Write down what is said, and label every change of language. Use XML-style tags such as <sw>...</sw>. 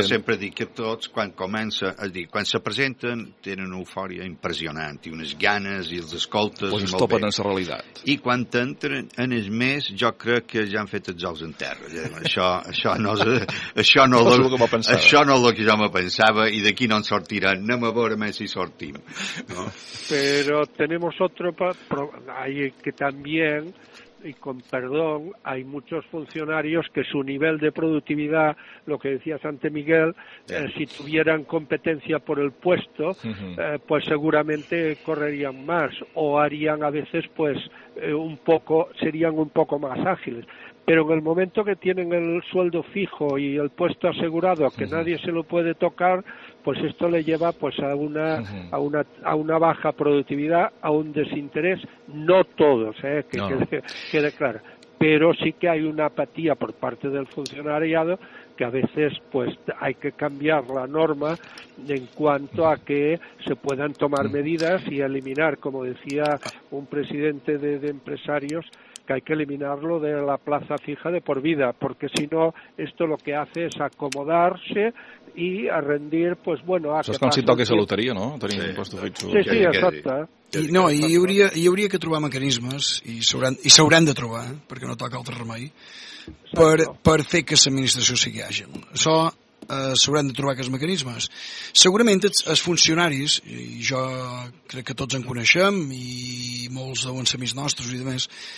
<ca>Jo sempre dic que tots, quan comença, és a dir, quan se presenten, tenen una eufòria impressionant i unes ganes i els escoltes. Pues es topen en la realitat. I quan entren en el mes, jo crec que ja han fet els ous en terra. Això no és... Això no és el que pensava. Això no és el que jo me pensava, i d'aquí no en sortirà. Anem a veure més si sortim. No? Però tenim</ca> <es>otro problema,</es> <ca>que també,</ca> <es>y con perdón, hay muchos funcionarios que su nivel de productividad, lo que decía Santé Miguel, si tuvieran competencia por el puesto, pues seguramente correrían más o harían a veces pues un poco, serían un poco más ágiles. Pero en el momento que tienen el sueldo fijo y el puesto asegurado, que nadie se lo puede tocar, pues esto le lleva pues a una baja productividad, a un desinterés, no todos, que quede claro. Pero sí que hay una apatía por parte del funcionariado, que a veces pues hay que cambiar la norma en cuanto a que se puedan tomar medidas y eliminar, como decía un presidente de empresarios, que hay que eliminarlo de la plaza fija de por vida, porque si no, esto lo que hace es acomodarse y a rendir, pues bueno...</es> <ca>Això és com si toqués la loteria, no? Tenim impostos fixos. Sí, exacte. Hi hauria que trobar mecanismes, i s'hauran de trobar, perquè no toca altre remei, per fer que l'administració sigui àgil. Això s'hauran de trobar aquests mecanismes. Segurament els funcionaris, i jo crec que tots en coneixem, i molts deuen ser més nostres i demés,</ca>